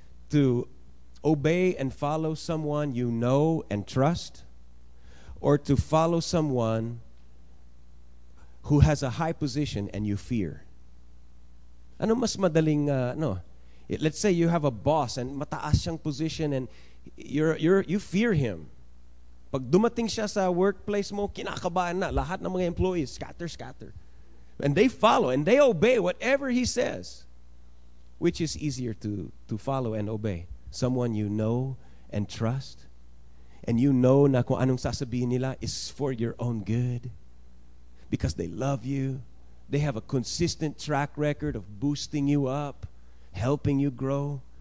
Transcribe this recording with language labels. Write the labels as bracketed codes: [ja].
[en] To obey and follow someone you know and trust, or to follow someone who has a high position and you fear? [tl] Ano mas madaling no? [en] Let's say you have a boss and [tl] mataas siyang [en] position and you fear him. [tl] Pag dumating siya sa workplace mo, kinakabahan na lahat ng mga employees, scatter. [en] And they follow and they obey whatever he says. Which is easier to follow and obey? Someone you know and trust, and you know [tl] na kung anong sasabihin nila [en] is for your own good, because they love you, they have a consistent track record of boosting you up, helping you grow.